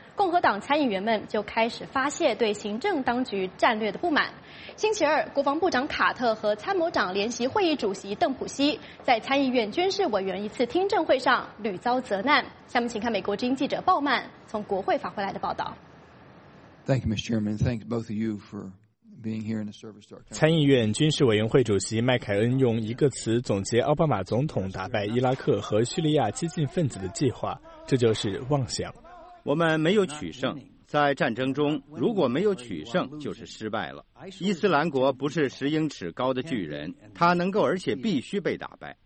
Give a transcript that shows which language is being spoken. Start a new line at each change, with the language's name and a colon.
Chinese: 共和党参议员们就开始发泄对行政当局战略的不满。星期二，国防部长卡特和参谋长联席会议主席邓普西在参议院军事委员一次听证会上屡遭责难。下面请看美国之音记者鲍曼从国会发回来的报道。
English: Thank you, Mr. Chairman. Thanks both of you for being here in the service to our country.
Chinese: 参议院军事委员会主席麦凯恩用一个词总结奥巴马总统打败伊拉克和叙利亚激进分子的计划，这就是妄想。我们没有取胜，在战争中如果没有取胜就是失败了。伊斯兰国不是十英尺高的巨人，他能够而且必须被打败。